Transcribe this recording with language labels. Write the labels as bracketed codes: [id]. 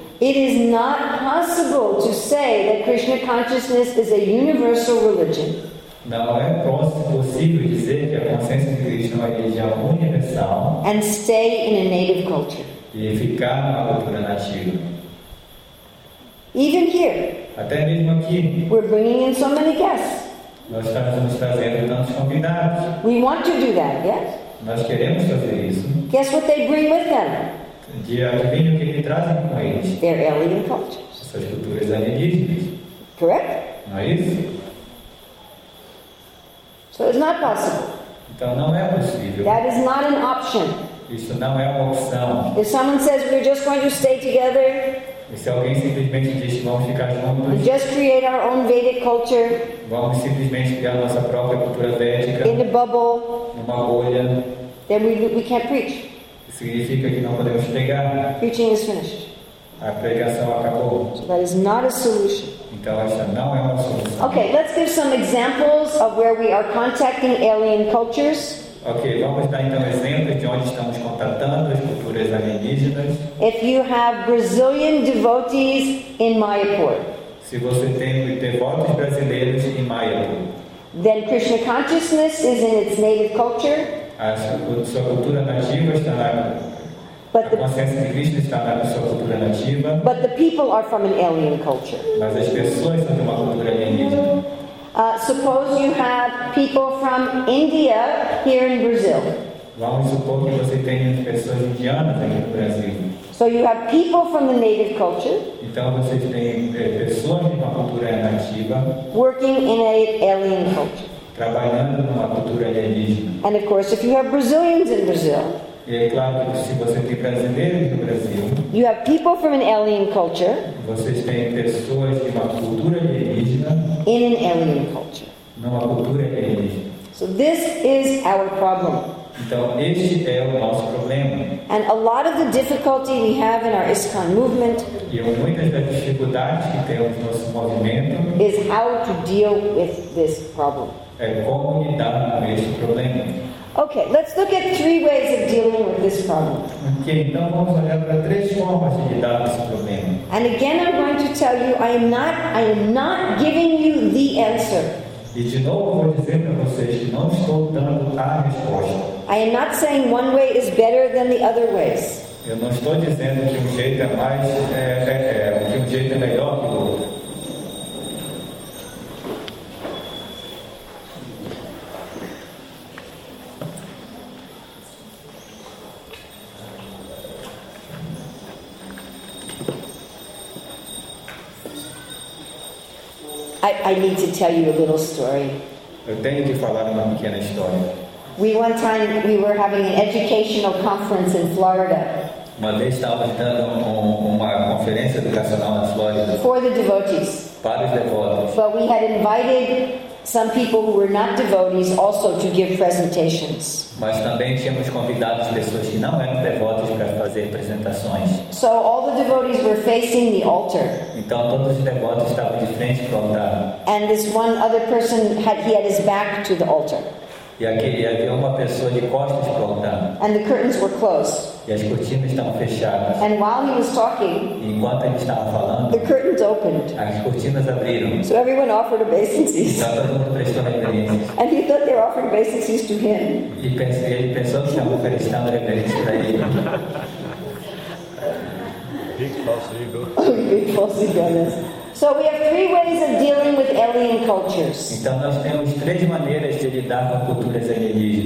[en] It is not possible to say that Krishna consciousness is a universal religion. [pt] Não é possível dizer que a consciência de Krishna é uma religião universal. [en] And stay in a native culture. [pt] E ficar na cultura nativa. [en] Even here. [pt] Até mesmo aqui. [en] We're bringing in so many guests. [pt] Nós estamos trazendo tantos convidados. [en] We want to do that, yes? [pt] Nós queremos fazer isso. [en] Guess what they bring with them? [pt] Adivinha o que eles trazem com eles? [en] Their alien cultures. [pt] Essas culturas alienígenas. [en] Correct? [pt] Não é isso? [en] So it's not possible. [pt] Então não é possível. [en] That is not an option. [pt] Isso não é uma opção. [en] If someone says we're just going to stay together, [pt] e se alguém simplesmente diz vamos ficar juntos, [en] we just create our own Vedic culture, [pt] vamos simplesmente criar nossa própria cultura védica, [en] in a bubble, [pt] numa bolha, [en] then we can't preach. [pt] Significa que não podemos pregar. [en] Preaching is finished. [pt] A pregação acabou. [en] So that is not a solution. [pt] Então, essa não é uma solução. [en] Okay, let's give some examples of where we are contacting alien cultures. [pt] Okay, vamos dar então exemplos de onde estamos contatando as culturas alienígenas. [en] If you have Brazilian devotees in Mayapur. [pt] Se você tem devotos brasileiros em Mayapur. [en] Then Krishna consciousness is in its native culture. [pt] A sua cultura nativa está na consciência de Krishna está na sua cultura nativa. [en] But the people are from an alien culture. [pt] Mas as pessoas são de uma cultura alienígena. [en] Suppose you have people from India here in Brazil. [pt] Vamos supor que você tenha pessoas indianas aqui no Brasil. [en] So you have people from the native culture. [pt] Então você tem pessoas de uma cultura nativa. [en] Working in an alien culture. [pt] Trabalhando numa cultura alienígena. [en] And of course, if you have Brazilians in Brazil. [pt] E é claro que se você tem brasileiros no Brasil. [en] You have people from an alien culture. [pt] Vocês têm pessoas de uma cultura alienígena. [en] In an alien culture. [pt] Numa cultura alienígena. [en] So this is our problem. [pt] Então este é o nosso problema. [en] And a lot of the difficulty we have in our ISKCON movement. [pt] E muitas das dificuldades que temos no nosso movimento. [en] Is how to deal with this problem. [pt] É como lidar com este problema. [en] Okay, let's look at three ways of dealing with this problem. [pt] Okay, então vamos olhar para três formas de lidar com esse problema. [en] And again, I'm going to tell you, I am not giving you the answer. [pt] E de novo vou dizer para vocês que não estou dando a resposta. [en] I am not saying one way is better than the other ways. [pt] Eu não estou dizendo que jeito é mais que jeito é melhor que o outro. [en] I need to tell you a little story. [pt] Eu tenho que falar uma pequena história. [en] We one time we were having an educational conference in Florida. [pt] Uma vez estávamos dando uma conferência educacional na Flórida. [en] For the devotees. [pt] Para os devotos. [en] But we had invited some people who were not devotees also to give presentations. [pt] Mas também tínhamos convidado pessoas que não eram devotos para fazer apresentações. [en] So all the devotees were facing the altar. [pt] Então todos os devotos estavam de frente para o altar. [en] And this one other person he had his back to the altar. [pt] E aquele havia uma pessoa de costas para o altar. [en] And the curtains were closed. [pt] E as cortinas estavam fechadas. [en] And while he was talking, [pt] enquanto ele estava falando, [en] the curtains opened. [pt] As cortinas abriram. [en] So everyone offered obeisances. [pt] E todo mundo prestou reverências. [en] And he thought they were offering obeisances to him. [pt] E ele pensou que estavam prestando reverências para ele. [en] Big false ego. Big false ego, yes. So we have three ways of dealing with alien cultures. [pt] Então nós temos três maneiras de lidar com culturas alienígenas.